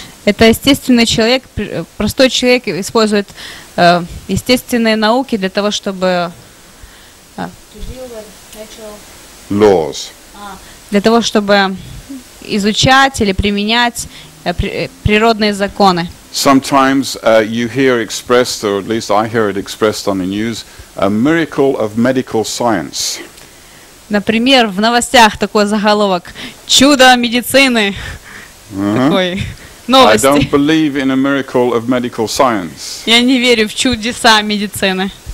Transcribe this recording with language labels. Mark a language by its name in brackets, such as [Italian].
[Russian] Это естественный человек, простой человек использует естественные науки для того, чтобы [English] laws. [Russian] Для того, чтобы изучать или применять природные законы. [English] Sometimes you hear expressed, or at least I hear it expressed on the news, a miracle of medical science. [Russian] Например, в новостях такой заголовок «Чудо медицины». Такой новости. [English] I don't believe in a miracle of medical science. [Russian] Я не верю в чудеса медицины.